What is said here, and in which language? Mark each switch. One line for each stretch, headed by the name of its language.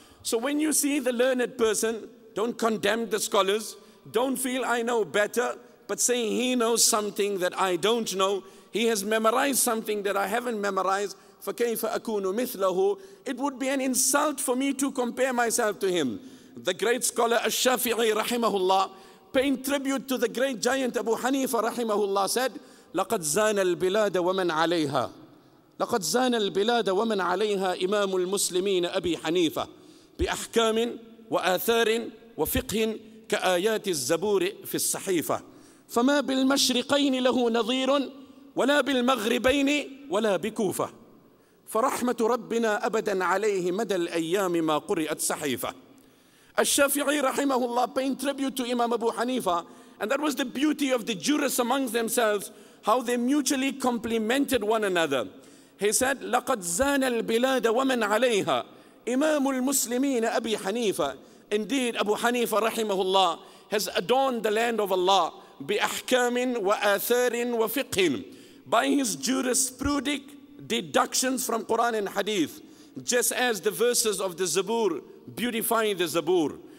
English: So when you see the learned person, don't condemn the scholars, don't feel I know better, but say he knows something that I don't know. He has memorized something that I haven't memorized.
Arabic: فَكَيْفَ أَكُونُ مِثْلَهُ
English: It would be an insult for me to compare myself to him. The great scholar Al-Shafi'i rahimahullah, paying tribute to the great giant Abu Hanifa rahimahullah, said,
Arabic: لَقَدْ زَانَ الْبِلَادَ وَمَنْ عَلَيْهَا لَقَدْ زَانَ الْبِلَادَ وَمَنْ عَلَيْهَا إِمَامُ الْمُسْلِمِينَ أَبِي حَنِيفَةَ بِأَحْكَامٍ وَآثَارٍ وَفِقْهٍ كَآيَاتِ الزَّبُورِ فِي الصَّحِيفَةِ فَمَا بِالْمَشْرِقَيْنِ لَهُ نَظِيرٌ وَلَا بِالْمَغْرِبَيْنِ وَلَا بِكُوفَةِ فَرَحْمَةُ رَبِّنَا أَبَدًا عَلَيْهِ مَدَى الْأَيَّامِ مَا قُرِئَتْ صَحِيفَةَ
English: الشافعي رحمه الله paying tribute to Imam Abu Hanifa, and that was the beauty of the jurists amongst themselves, how they mutually complimented one another. He said,
Arabic: لَقَدْ زَانَ الْبِلَادَ وَمَنْ عَلَيْهَا إِمَامُ الْمُسْلِمِينَ أَبِي حَنِيفَةَ
English: Indeed, Abu Hanifa rahimahullah has adorned the land of Allah
Arabic: بِأَحْكَامٍ وَآثَارٍ وَفِقْهٍ
English: by his jurisprudic deductions from Quran and Hadith, just as the verses of the Zabur beautify the Zabur.